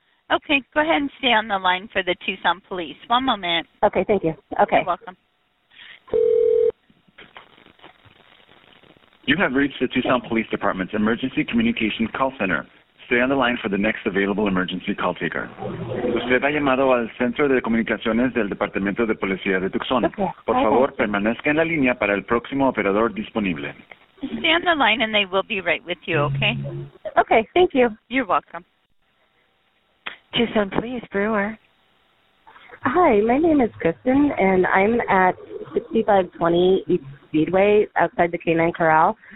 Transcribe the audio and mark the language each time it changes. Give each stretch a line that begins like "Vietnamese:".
English: Okay, go ahead and stay on the line for the Tucson Police. One moment. Okay, thank you. Okay. You're welcome. You have reached the Tucson Police Department's Emergency Communication Call Center. Stay on the line for the next available emergency call taker.
Spanish: Usted ha llamado al Centro de Comunicaciones del Departamento de Policía de Tucson.
English: Okay.
Spanish: Por favor, permanezca en la línea para el próximo operador disponible.
English: Stay on the line and they will be right with you, okay? Okay, thank you. You're welcome. Tucson Police, Brewer. Hi, my name is Kristen, and I'm at 6520 East Speedway outside the Canine Corral.